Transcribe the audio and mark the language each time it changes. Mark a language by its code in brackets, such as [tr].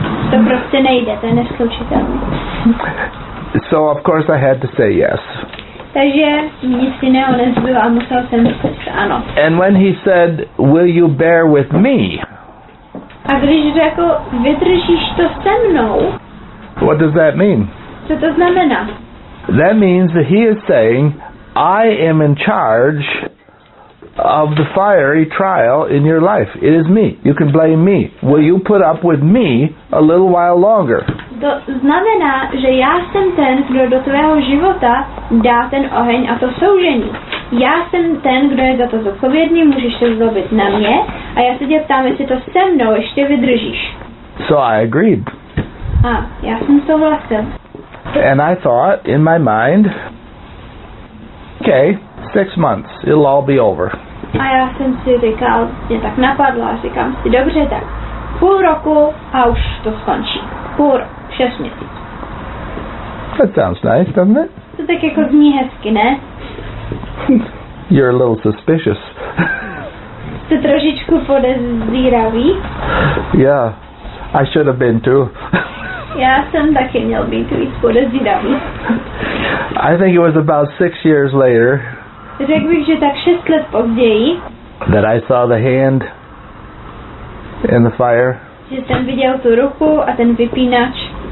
[cs] To prostě nejde, to je neslučitelné. [en] So of course I had to say yes. [cs] Takže nic jiného nezbylo a musel jsem říct ano. [en] And when he said, will you bear with me? [cs] A když řekl, vydržíš to se mnou. [en] What does that mean? [cs] Co to znamená? [en] That means that he is saying, I am in charge of the fiery trial in your life. It is me. You can blame me. Will you put up with me a little while longer? [cs] To znamená, že já jsem ten, kdo do tvého života dá ten oheň a to soužení. Já jsem ten, kdo je za to zodpovědný, můžeš se zlobit na mě a já se tě ptám, jestli to se mnou ještě vydržíš. [en] So I agreed. [cs] A já jsem souhlasil. [en] And I thought in my mind, okay, 6 months, it'll all be over. [cs] A já jsem si říkal, mě tak napadlo a říkám si, dobře tak, půl roku a už to skončí. Půl roku. [en] That sounds nice, doesn't it? [cs] To tak jako zní hezky, ne? [en] You're a little suspicious. [cs] Jste trošičku podezíravý. [en] Yeah, I should have been too. [cs] Já jsem taky měl být víc podezíravý. [en] I think it was about 6 years later. [cs] Řekl bych, že tak 6 let později. [en] That I saw the hand in the fire. [cs] Že jsem viděl tu ruku a ten vypínač.